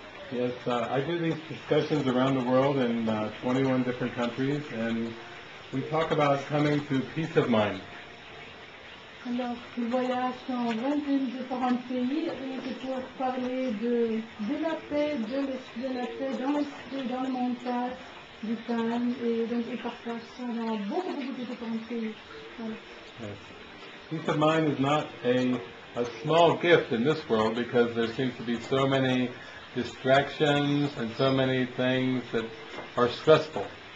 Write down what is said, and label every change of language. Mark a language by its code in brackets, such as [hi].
[en] Yes, I do these discussions around the world in 21 different countries, and we talk about coming to peace of mind. [fr] Alors, je voyage dans 21 différents pays et je peux parler de la paix, de la paix dans l'esprit, dans le mental, du calme, et donc je partage ça dans beaucoup, beaucoup de différents pays. Voilà. [en] Yes. Peace of mind is not a small gift in this world because there seems to be so many distractions and so many things that are stressful.